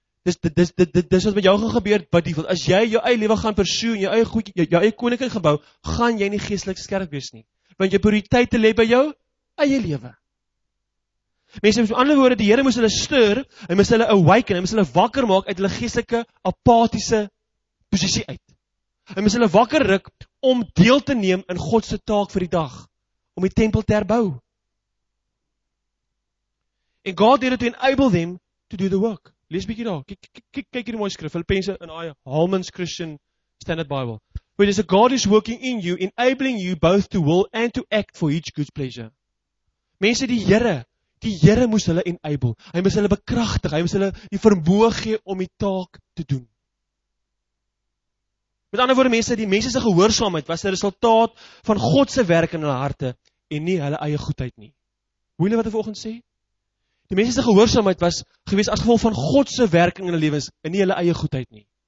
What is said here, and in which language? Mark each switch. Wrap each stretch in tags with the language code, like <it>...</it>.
<af>Dis wat met jou gaan gebeur, buddy. As jy jou eie lewe gaan pursue, jou eie goed, jou eie koninkryk gebou, gaan jy nie geestelik skerp wees nie. Want jou prioriteite lê by jou eie lewe. Mense, met ander woorde, die Here moes hulle stuur, hy moes hulle awaken, hy moes hulle wakker maak uit hulle geestelike apatiese posisie uit. Hy moes hulle wakker ruk om deel te neem in God se taak vir die dag, om die tempel te herbou.</af> <en>And God did it to enable them to do the work.</en> <af>Lees bietjie daar. Kyk hierdie mooi skrif, Filippense in die Holman's Christian Standard Bible.</af> <en>For it is a God is working in you, enabling you both to will and to act for each good pleasure.</en> <af>Mense, die Here moes hulle enable. Hy moes hulle bekragtig, hy moes hulle die vermoë gee om die taak te doen. Met ander woorde, mense, die mense se gehoorsaamheid was 'n resultaat van God se werk in hulle harte en nie hulle eie goedheid nie. Hoor julle wat ek vanoggend sê? Die mense se gehoorsaamheid was gewees as gevolg van God se werking in hulle lewens en nie hulle eie goedheid nie.</af>